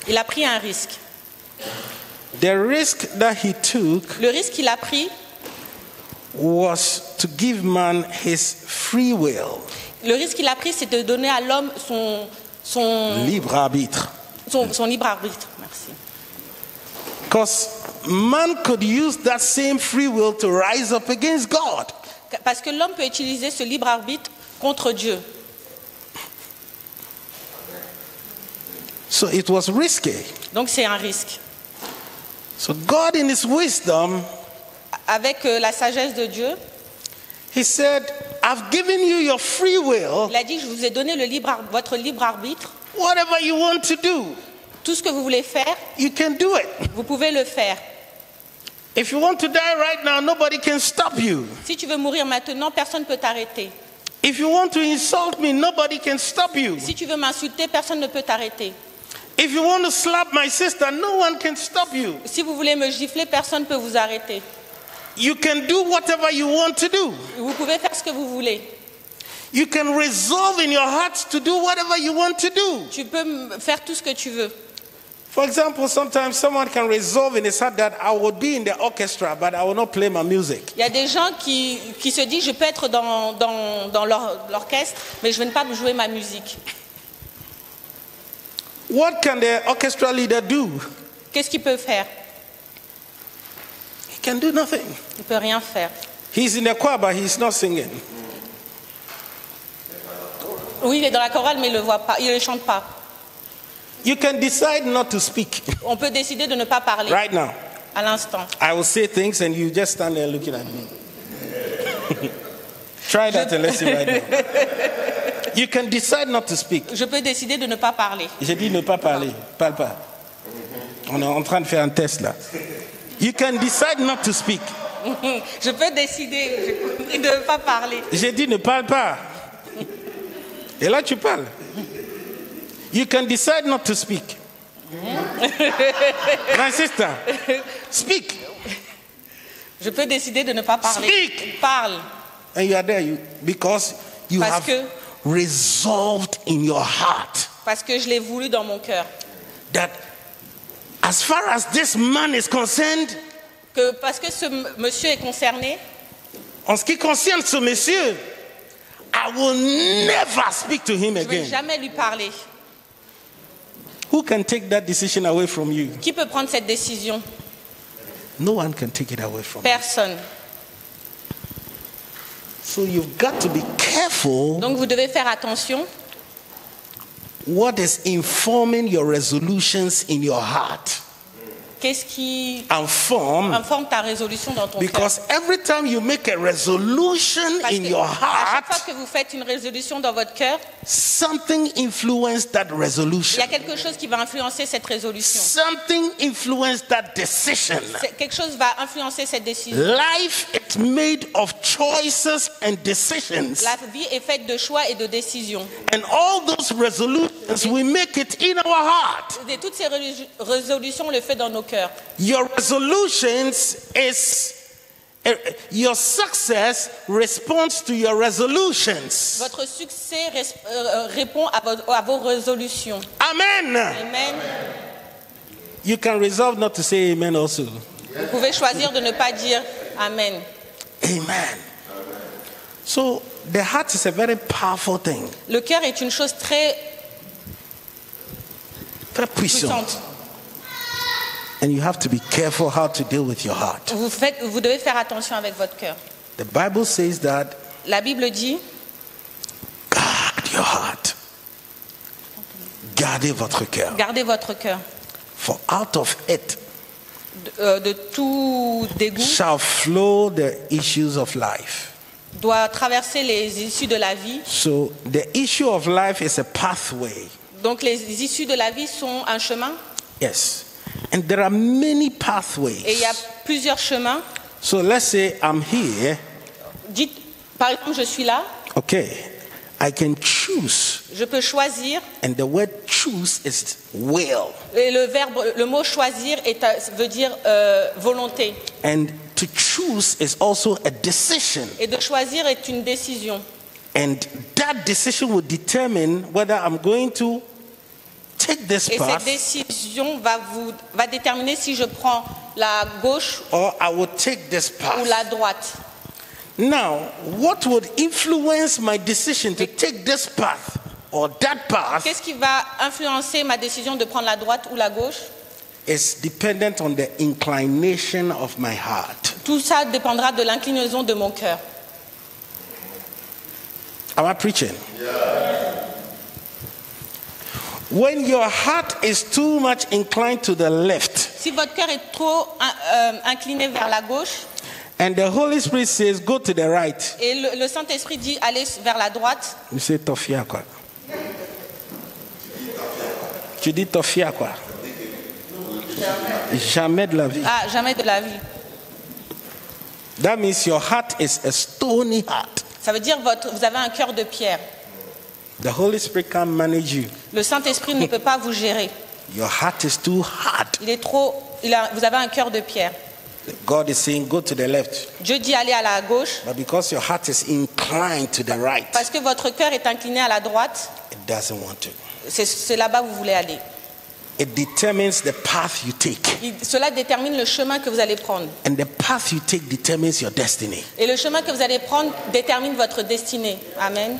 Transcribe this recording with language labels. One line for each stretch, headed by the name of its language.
French: Il a pris un risque.
English: The risk that he took,
French: le risque qu'il a pris,
English: was to give man his free will.
French: Le risque qu'il a pris, c'est de donner à l'homme son libre arbitre. Son libre arbitre. Merci.
English: Because man could use that same free will to rise up against God.
French: Parce que l'homme peut utiliser ce libre arbitre contre Dieu.
English: So it was risky.
French: Donc c'est un risque.
English: So God in his wisdom,
French: avec la sagesse de Dieu,
English: he said, I've given you your free will.
French: Il a dit, je vous ai donné votre libre arbitre.
English: Whatever you want to do,
French: tout ce que vous voulez faire,
English: you can do it.
French: Vous pouvez le faire.
English: If you want to die right now, nobody can stop you.
French: Si tu veux mourir maintenant, personne ne peut t'arrêter.
English: If you want to insult me, nobody can stop you.
French: Si tu veux m'insulter, personne ne peut t'arrêter.
English: If you want to slap my sister, no one can stop you.
French: Si vous voulez me gifler, personne ne peut vous arrêter.
English: You can do whatever you want to do.
French: Vous pouvez faire ce que vous voulez.
English: You can resolve in your heart to do whatever you want to do.
French: Tu peux faire tout ce que tu veux.
English: For example, sometimes someone can resolve in his heart that I would be in the orchestra, but I will not play my music.
French: Il y a des gens qui se disent je peux être dans l'orchestre, mais je ne vais pas jouer ma musique.
English: What can the orchestra leader do?
French: Qu'est-ce qu'il peut faire?
English: He can do nothing.
French: Il peut rien faire.
English: He's in the choir, but he's not singing.
French: Oui, il est dans la chorale, mais il le voit pas, il ne chante pas.
English: You can decide not to speak.
French: On peut décider de ne pas parler.
English: Right now.
French: À l'instant.
English: I will say things and you just stand there looking at me. Try that and let's see right now. You can decide not to speak.
French: Je peux décider de ne pas parler. J'ai dit ne pas parler. Parle pas. On est en train de faire un test là.
English: You can decide not to speak.
French: Je peux décider de ne pas parler. J'ai dit ne parle pas. Et là tu parles.
English: You can decide not to speak. My sister, speak.
French: Je peux décider de ne pas parler.
English: Speak.
French: Parle.
English: And you are there because you
French: Parce que
English: resolved in your heart.
French: Parce que je l'ai voulu dans mon cœur.
English: That as far as this man is concerned,
French: que parce que ce monsieur est concerné, en ce qui concerne ce monsieur,
English: I will never speak to him again.
French: Je vais jamais lui parler.
English: Who can take that decision away from you?
French: Qui peut prendre cette décision?
English: No one can take it away from
French: Personne.
English: You. So you've got to be careful.
French: Donc vous devez faire attention.
English: What is informing your resolutions in your heart?
French: Qu'est-ce qui informe ta résolution dans ton cœur?
English: Because every time you make a resolution
French: Parce
English: in your heart,
French: à chaque fois que vous faites une résolution dans votre cœur,
English: something influences that resolution.
French: Il y a quelque chose qui va influencer cette résolution.
English: Something influences that decision.
French: Quelque chose va influencer cette décision.
English: Life is made of choices and decisions.
French: La vie est faite de choix et de décisions.
English: And all those resolutions, we make it in our heart.
French: Et toutes ces résolutions, on le fait dans nos cœurs.
English: Your resolutions is your success responds to your resolutions.
French: Votre succès répond à vos résolutions.
English: Amen.
French: Amen.
English: You can resolve not to say amen also.
French: Vous pouvez choisir de ne pas dire amen. Amen.
English: So the heart is a very powerful thing.
French: Le cœur est une chose très très puissante.
English: And you have to be careful how to deal with your heart.
French: Vous devez faire attention avec votre cœur.
English: The Bible says that.
French: La Bible dit.
English: Guard your heart.
French: Gardez votre cœur. Gardez votre cœur.
English: For out of it.
French: De tout dégoût.
English: Shall flow the issues of life.
French: Doit traverser les issues de la vie.
English: So the issue of life is a pathway.
French: Donc les issues de la vie sont un chemin.
English: Yes. And there are many pathways.
French: Et il y a plusieurs chemins.
English: So let's say I'm here.
French: Dites, par exemple, je suis là.
English: Okay. I can choose.
French: Je peux choisir.
English: And the word choose is will.
French: Et le mot choisir veut dire volonté.
English: And to choose is also a decision.
French: Et de choisir est une décision.
English: And that decision will determine whether I'm going to take this
French: path, et cette décision va déterminer si je prends la gauche
English: or I will take this path.
French: Ou la droite.
English: Now, what would influence my decision to take this path or that path?
French: Qu'est-ce qui va influencer ma décision de prendre la droite ou la gauche?
English: It's dependent on the inclination of my heart.
French: Tout ça dépendra de l'inclinaison de mon cœur.
English: Am I preaching? Yeah. When your heart is too much inclined to the left.
French: Si votre cœur est trop incliné vers la gauche.
English: And the Holy Spirit says, "Go to the right."
French: Et le Saint-Esprit dit, allez vers la droite. Tu dis tofia quoi? Tu dis tofia quoi? Jamais de la vie. Ah, jamais de la vie.
English: That means your heart is a stony heart.
French: Ça veut dire votre, vous avez un cœur de pierre.
English: The Holy Spirit can't manage you.
French: Le Saint-Esprit ne peut pas vous gérer.
English: Your heart is too hard.
French: Il est trop. Vous avez un cœur de pierre.
English: God is saying, go to the left.
French: Dieu dit aller à la gauche.
English: But because your heart is inclined to the right.
French: Parce que votre cœur est incliné à la droite.
English: It doesn't want to.
French: C'est là-bas que vous voulez aller.
English: It determines the path you take.
French: Cela détermine le chemin que vous allez prendre.
English: And the path you take determines your destiny.
French: Et le chemin que vous allez prendre détermine votre destinée.
English: Amen.